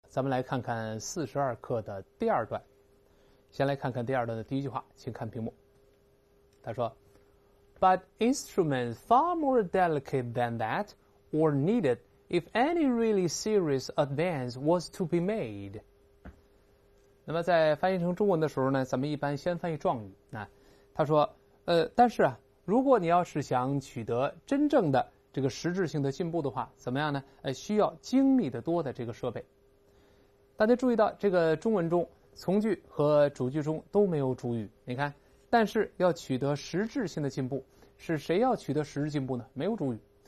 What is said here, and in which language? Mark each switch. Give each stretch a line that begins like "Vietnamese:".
Chinese: 咱们来看看42课的第二段。先来看看第二段的第一句话，请看屏幕。他说
English: But instruments far more delicate than that were needed if any really serious advance was to be made.
Chinese: 那么在翻译成中文的时候呢，咱们一般先翻译状语。那他说但是啊，如果你要是想取得真正的这个实质性的进步的话，怎么样呢？需要精密的多的这个设备。大家注意到这个中文中从句和主句中都没有主语，你看，但是要取得实质性的进步，是谁要取得实质进步呢？没有主语。